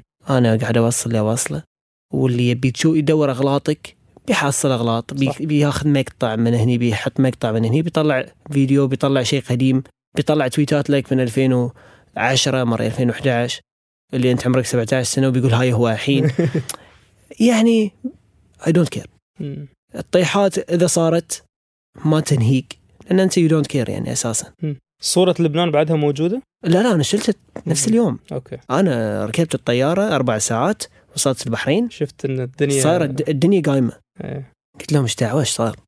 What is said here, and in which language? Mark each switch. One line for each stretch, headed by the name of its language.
Arabic: أنا قاعد أوصله، واللي يبي يدور أغلاطك بيحصل أغلاط، بياخذ مقطع من هني، بيحط مقطع من هني، بيطلع فيديو، بيطلع شيء قديم، بيطلع تويتات لك من 2010 مرة 2011 اللي أنت عمرك 17 سنة وبيقول هاي هو الحين.
English: يعني I don't care.
Arabic: الطيحات إذا صارت ما تنهيك لأن أنت
English: you don't care
Arabic: يعني أساسا. صورة لبنان بعدها موجودة؟ لا أنا شلتها نفس اليوم. أوكي. أنا ركبت الطيارة 4 ساعات وصلت البحرين، شفت أن الدنيا صارت الدنيا قايمة. قلت لهم إيش دعوة إيش صار؟